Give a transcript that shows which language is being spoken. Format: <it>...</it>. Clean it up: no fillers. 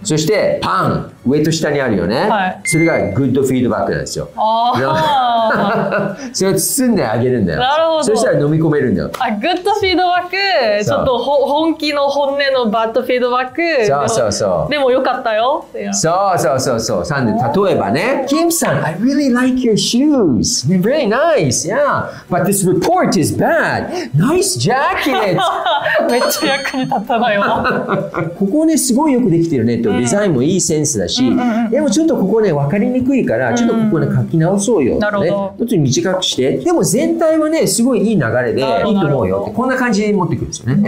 <ja>そしてパン、上と下にあるよね、はい、それがグッドフィードバックなんですよ。あそれを包んであげるんだよ。なるほど、そしたら飲み込めるんだよ。あ、グッドフィードバック、ちょっと本気の本音のバッドフィードバック、そうそうそう、でもよかったよ、そうそうそうそう。サンデ、例えばね、</ja> <en>キムさん I really like your shoes very nice yeah but this report is bad nice jacket</en> <ja>めっちゃ役に立ったなよここねすごいよくできてるねと、デザインもいいセンスだ、うんうんうん、でもちょっとここね分かりにくいからちょっとここね書き直そうよって、ね、なるほど、短くして、でも全体はねすごいいい流れでいいと思うよって、こんな感じで持ってくるんですよね。</ja>